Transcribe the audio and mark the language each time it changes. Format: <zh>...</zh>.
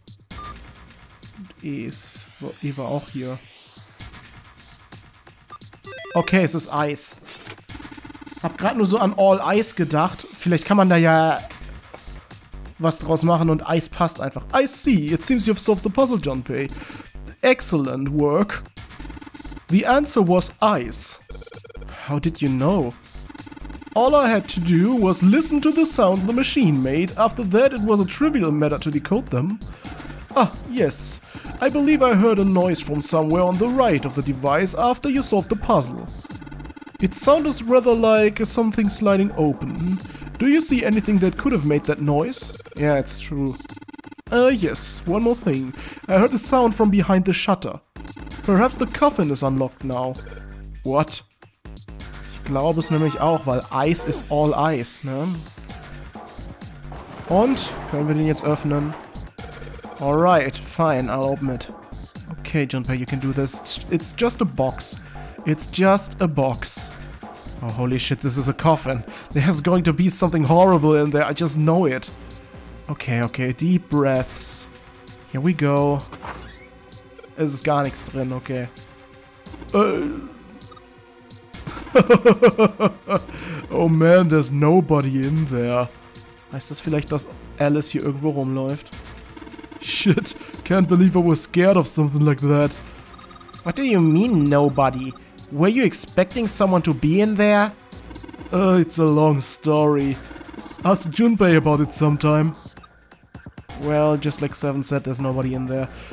<de>Und E ist, E war auch hier. Okay, es ist Eis. Hab gerade nur so an All Ice gedacht. Vielleicht kann man da ja was draus machen und Eis passt einfach.</de> <en>I see, it seems you've solved the puzzle, Junpei. Excellent work. The answer was ice. How did you know? All I had to do was listen to the sounds the machine made. After that, it was a trivial matter to decode them. Ah, yes. I believe I heard a noise from somewhere on the right of the device after you solved the puzzle. It sounded rather like something sliding open. Do you see anything that could have made that noise? Yeah, it's true. Yes. One more thing. I heard a sound from behind the shutter. Perhaps the coffin is unlocked now. What?</en> <de>Ich glaube es nämlich auch, weil Eis ist all Eis, ne? Und? Können wir den jetzt öffnen?</de> <en>Alright, fine, I'll open it. Okay, Junpei, you can do this. It's just a box. It's just a box. Oh, holy shit, this is a coffin. There's going to be something horrible in there, I just know it. Okay, okay, deep breaths. Here we go.</en> <de>Es ist gar nichts drin, okay.</de> <en>Oh man, there's nobody in there.</en> <de>Heißt das vielleicht, dass Alice hier irgendwo rumläuft?</de> <en>Shit, can't believe I was scared of something like that. What do you mean, nobody? Were you expecting someone to be in there? It's a long story. Ask Junpei about it sometime. Well, just like Seven said, there's nobody in there.</en>